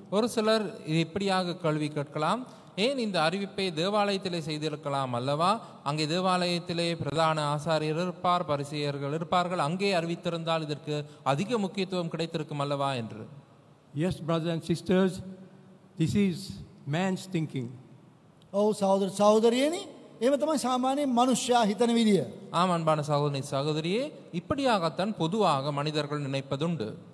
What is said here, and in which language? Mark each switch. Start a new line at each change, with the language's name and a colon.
Tamil: oru selar ipdiyaga kalvi ketkalam ஏன் இந்த அறிவிப்பை தேவாலயத்திலே செய்திருக்கலாம் அல்லவா? அங்கே தேவாலயத்திலே பிரதான ஆசாரியர் இருப்பார், பரிசேயர்கள் இருப்பார்கள், அங்கே அறிவித்திருந்தால் இதற்கு அதிக முக்கியத்துவம் கிடைத்திருக்கும் அல்லவா என்று.
English: Yes, brothers and sisters, this is man's thinking.
Sinhala: ஓ சகோதர சகோதரியனி, ஏம தான் சாமானிய மனுஷ்யா ஹிதன விதிய.
Tamil: ஆம் அன்பான சகோதரி சகோதரியே, இப்படியாகத்தான் பொதுவாக மனிதர்கள் நினைப்பதுண்டு.